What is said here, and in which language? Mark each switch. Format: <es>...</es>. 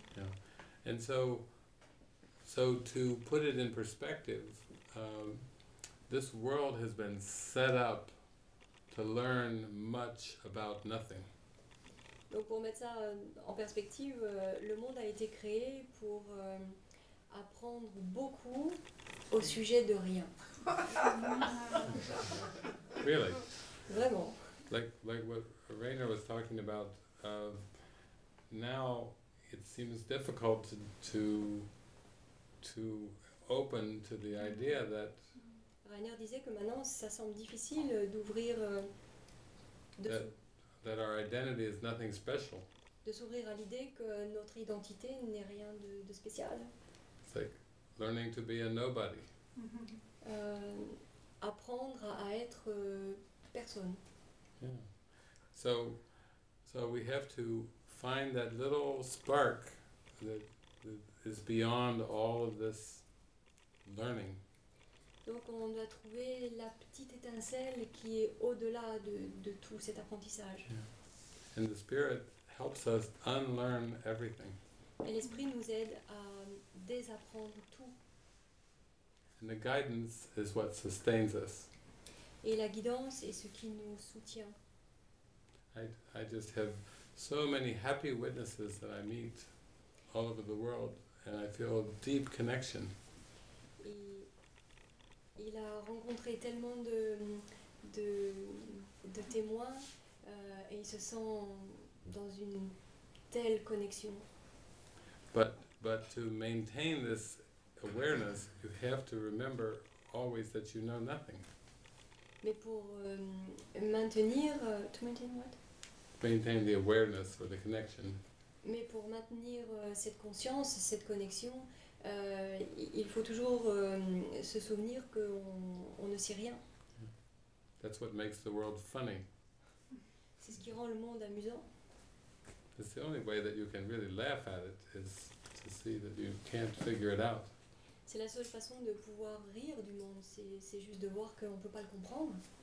<en>Yeah, and so to put it in perspective, this world has been set up to learn much about nothing.</en> <fr>Donc pour mettre ça en perspective, le monde a été créé pour apprendre beaucoup au sujet de rien.</fr> <en>Really?</en> <fr>Vraiment.</fr> <en>Like what Rainer was talking about, now it seems difficult to open to the idea that...</en> <fr>Rainer disait que maintenant ça semble difficile d'ouvrir...</fr> <en>That our identity is nothing special.</en> <fr>De s'ouvrir à l'idée que notre identité n'est rien de spécial.</fr> <en>It's like learning to be a nobody.</en> <fr>Apprendre à être personne.</fr> <en>Yeah. So we have to find that little spark that is beyond all of this learning.</en> <fr>Donc on doit trouver la petite étincelle qui est au-delà de tout cet apprentissage.</fr> <en>Yeah. And the spirit helps us unlearn everything.</en> <fr>Et l'esprit nous aide à désapprendre tout.</fr> <en>And the guidance is what sustains us.</en> <fr>Et la guidance est ce qui nous soutient.</fr> <en>I just have so many happy witnesses that I meet all over the world and I feel a deep connection.</en> <fr>il a rencontré tellement de témoins et il se sent dans une telle connexion.</fr> <en>But to maintain this awareness, you have to remember always that you know nothing.</en> <fr>Mais pour maintenir</fr> <en>to maintain what? Maintain the awareness or the connection.</en> <fr>Mais pour maintenir cette conscience, cette connexion, il faut toujours se souvenir qu'on ne sait rien.</fr> <en>That's what makes the world funny.</en> <fr>C'est ce qui rend le monde amusant.</fr> <en>It's the only way that you can really laugh at it is to see that you can't figure it out.</en> <fr>C'est la seule façon de pouvoir rire du monde, c'est juste de voir qu'on ne peut pas le comprendre.</fr>